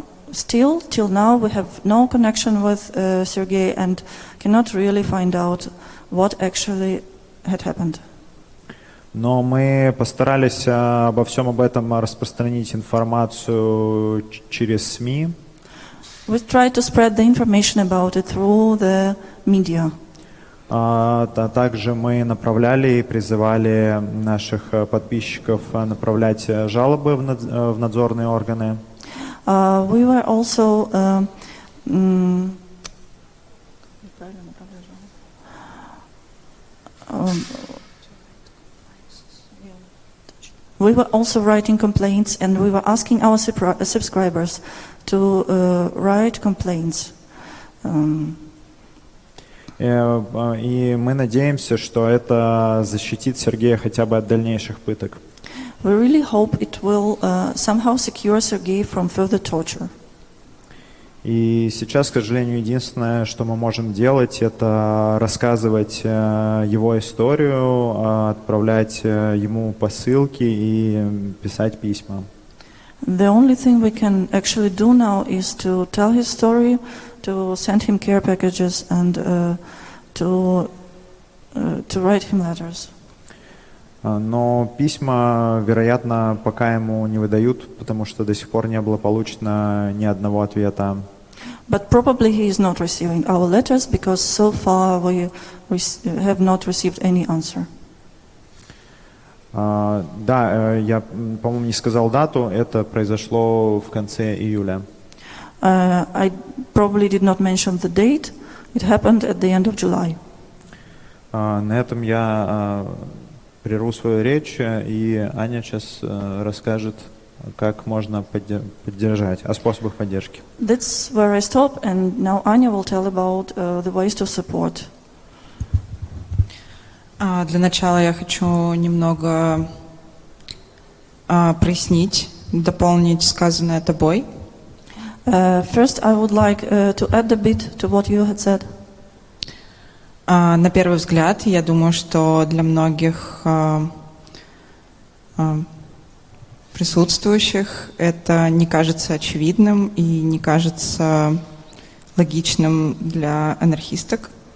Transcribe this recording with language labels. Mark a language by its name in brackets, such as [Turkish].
[English] Still, till now, we have no connection with Sergei and cannot really find out what actually had happened. [Russian] Но мы постарались обо всем об этом распространить информацию через СМИ. [English] We tried to spread the information about it through the media. [Russian] Также мы направляли и призывали наших подписчиков направлять жалобы в надзорные органы. [English] We were also we were also writing complaints, and we were asking our subscribers to write complaints. [Russian] И мы надеемся, что это защитит Сергея хотя бы от дальнейших пыток. [English] We really hope it will somehow secure Sergei from further torture. [Russian] И сейчас, к сожалению, единственное, что мы можем делать, это рассказывать его историю, отправлять ему посылки и писать письма. [English] The only thing we can actually do now is to tell his story, to send him care packages and to write him letters. [Russian] Но письма, вероятно, пока ему не выдают, потому что до сих пор не было получено ни одного ответа. [English] But probably he is not receiving our letters, because so far we have not received any answer. [Russian] Да, я, по-моему, не сказал дату. Это произошло в конце июля. [English] I probably did not mention the date. It happened at the end of July. [Russian] На этом я прерву свою речь, и Аня сейчас расскажет, как можно поддержать, о способах поддержки. [English] That's where I stop, and now Anya will tell about the ways to support. [Russian] Для начала я хочу немного прояснить, дополнить сказанное тобой. [English] First, I would like to add a bit to what you had said. [Russian] На первый взгляд, я думаю, что для многих присутствующих это не кажется очевидным и не кажется логичным для анархисток.